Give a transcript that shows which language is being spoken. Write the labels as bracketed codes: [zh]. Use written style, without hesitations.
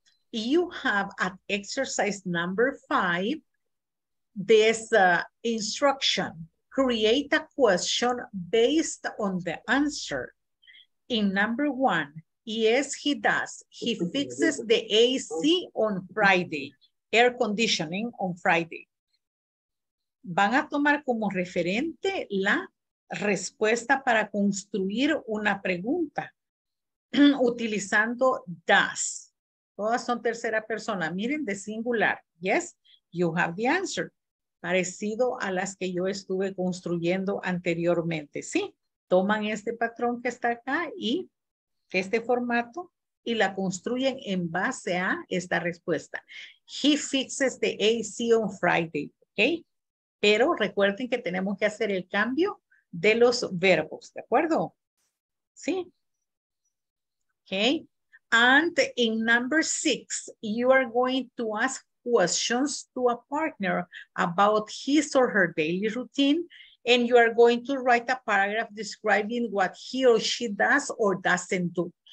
[en] You have at exercise number 5, this instruction. Create a question based on the answer. In number 1, yes, he does. He fixes the AC on Friday, air conditioning on Friday. [es] Van a tomar como referente la respuesta para construir una pregunta utilizando does. Todas son tercera persona. Miren, de singular. [en] Yes, you have the answer. [es] Parecido a las que yo estuve construyendo anteriormente. Sí, toman este patrón que está acá y este formato y la construyen en base a esta respuesta. [en] He fixes the AC on Friday, okay? [es] Pero recuerden que tenemos que hacer el cambio de los verbos, ¿de acuerdo? Sí. Okay. [en] And in number 6, you are going to ask questions to a partner about his or her daily routine and you are going to write a paragraph describing what he or she does or doesn't do.